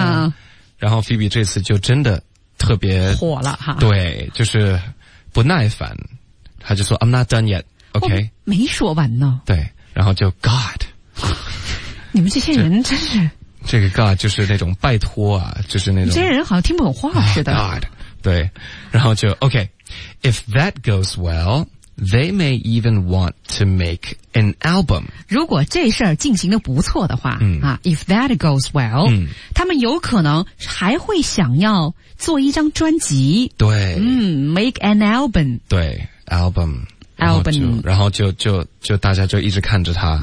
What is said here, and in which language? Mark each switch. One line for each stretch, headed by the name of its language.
Chinese: 啊、然后 Phoebe 这次就真的特别火了哈对就是不耐烦他就说
English: I'm not done yet
Chinese: OK 没说完呢对然后就 God 你们这些人真是这个 God 就是那种拜托啊就是那种这些人好像听不懂话似的、
English: oh, God
Chinese: 对然后就
English: OK If that goes well They may even want to make an album
Chinese: 如果这事儿进行的不错的话、嗯
English: 啊、If that goes well、嗯、
Chinese: 他们有可能还会想要做一张专辑对、
English: 嗯、Make an album
Chinese: 对 album
English: Album
Chinese: 然后就大家就一直看着他